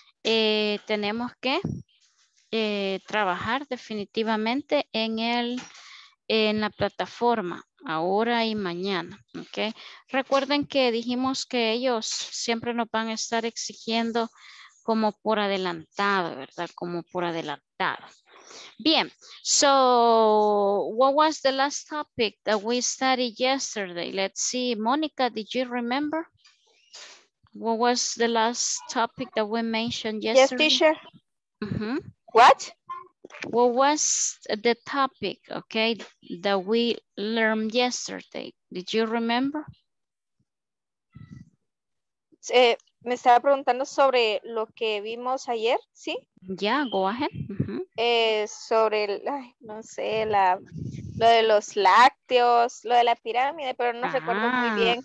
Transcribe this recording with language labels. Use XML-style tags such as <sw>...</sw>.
<es>Tenemos que trabajar definitivamente en la plataforma ahora y mañana. ¿Okay? Recuerden que dijimos que ellos siempre nos van a estar exigiendo como por adelantado, ¿verdad? Como por adelantado.</es> <en>Bien, so what was the last topic that we studied yesterday? Let's see, Monica, did you remember? What was the last topic that we mentioned yesterday? Yes, teacher. Mm-hmm. What? What was the topic, okay, that we learned yesterday? Did you remember?</en> <es>Me estaba preguntando sobre lo que vimos ayer, ¿sí?</es> <en>Ya, yeah, go ahead. Uh-huh.</en> <es>Sobre, ay, no sé, lo de los lácteos, lo de la pirámide, pero no recuerdo muy bien.</es>